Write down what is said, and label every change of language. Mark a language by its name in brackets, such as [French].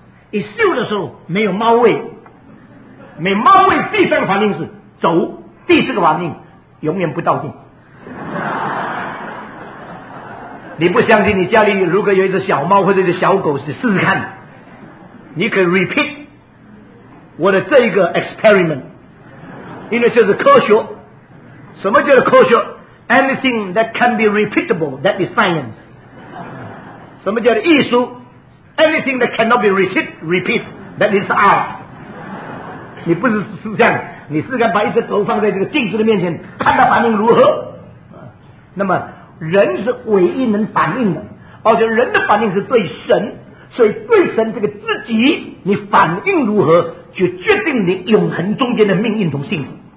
[Chinese] 一嗅的时候没有猫味，没猫味，第三个反应是走，第四个反应永远不照镜。你不相信，你家里如果有一只小猫或者是小狗，试试看，你可以 repeat 我的这一个 experiment， 因为这是科学。什么叫做科学？ [English] Anything that can be repeatable, that is science。 [Chinese] 什么叫做艺术？ [English] Anything that cannot be repeat, that is art。 [Chinese] 你不是思想，你试看把一只狗放在这个镜子的面前，看它反应如何。那么人是唯一能反应的，而且人的反应是对神，所以对神这个自己你反应如何，就决定你永恒中间的命运同幸福。